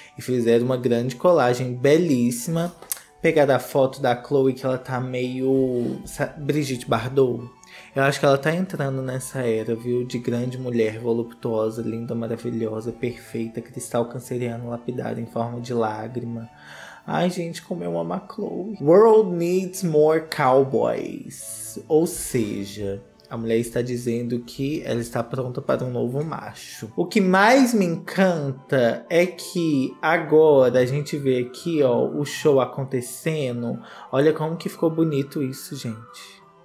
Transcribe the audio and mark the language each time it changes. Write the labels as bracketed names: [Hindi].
[Portuguese] E fizeram uma grande colagem belíssima. Pegar a foto da Chloe que ela tá meio Brigitte Bardot. Eu acho que ela tá entrando nessa era, viu? De grande mulher, voluptuosa, linda, maravilhosa, perfeita, cristal canceriano lapidado em forma de lágrima. Ai, gente, como eu amo a Chloe. [English] World needs more cowboys. [Portuguese] Ou seja, a mulher está dizendo que ela está pronta para um novo macho. O que mais me encanta é que agora a gente vê aqui, ó, o show acontecendo. Olha como que ficou bonito isso, gente.